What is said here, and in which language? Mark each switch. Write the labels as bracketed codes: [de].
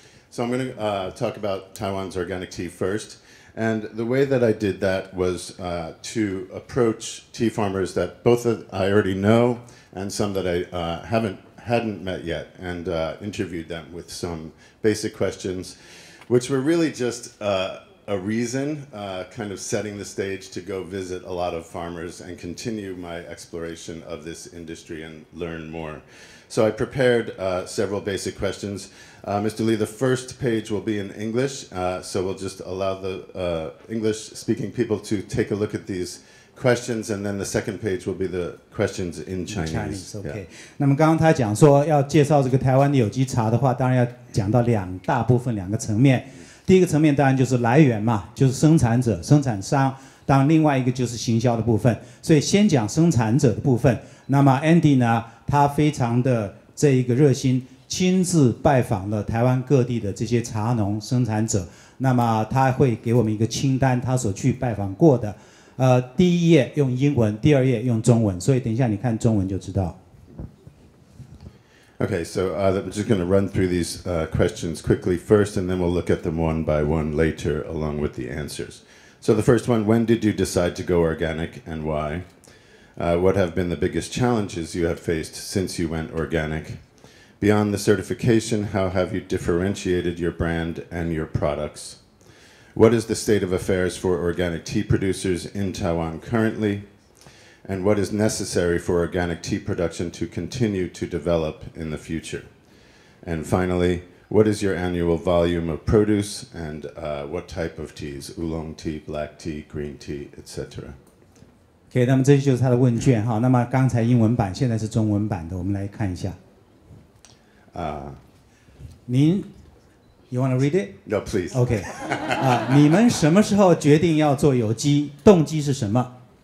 [en] So I'm going to talk about Taiwan's organic tea first. And the way that I did that was to approach tea farmers that both I already know and some that I hadn't met yet, and interviewed them with some basic questions, which were really just a reason, kind of setting the stage to go visit a lot of farmers and continue my exploration of this industry and learn more. So I prepared several basic questions. Mr. Lee, the first page will be in English, so we'll just allow the English-speaking people to take a look at these questions, and then the second page will be the questions in Chinese. Chinese, okay. [zh] 那么刚刚他讲说要介绍这个台湾的有机茶的话，当然要讲到两大部分两个层面。第一个层面当然就是来源嘛，就是生产者、生产商。当然另外一个就是行销的部分。所以先讲生产者的部分。那么 Andy 呢，他非常的这一个热心，亲自拜访了台湾各地的这些茶农生产者。那么他会给我们一个清单，他所去拜访过的。第一页用英文，第二页用中文，所以等一下你看中文就知道。 [en] Okay, so I'm just going to run through these questions quickly first, and then we'll look at them one by one later along with the answers. So the first one, when did you decide to go organic and why? What have been the biggest challenges you have faced since you went organic? Beyond the certification, how have you differentiated your brand and your products? What is the state of affairs for organic tea producers in Taiwan currently? And what is necessary for organic tea production to continue to develop in the future? And finally, what is your annual volume of produce and what type of teas, oolong tea, black tea, green tea, etc.? [zh] OK， 那么这就是他的问卷哈。那么刚才英文版，现在是中文版的，我们来看一下。 [en] 您 ，You want to read it? No, please. [zh] OK， 你们什么时候决定要做有机？动机是什么？